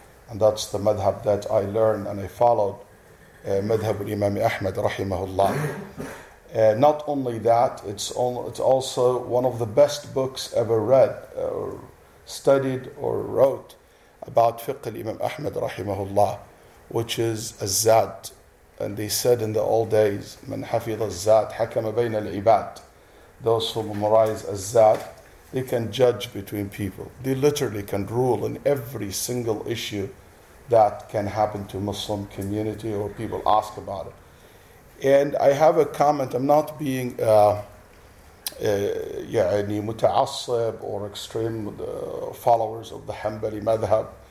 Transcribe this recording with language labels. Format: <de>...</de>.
<en>And that's the madhab that I learned and I followed, madhab al-Imam Ahmad rahimahullah. Not only that, it's also one of the best books ever read or studied or wrote about fiqh al-Imam Ahmad rahimahullah, which is Az-Zad. And they said in the old days,</en> <ar>من حفظ الزاد حكم بين العباد.</ar> <en>Those who memorize Az-Zad, they can judge between people. They literally can rule in every single issue that can happen to Muslim community or people ask about it. And I have a comment. I'm not being متعصب or extreme followers of the Hanbali madhab.</en>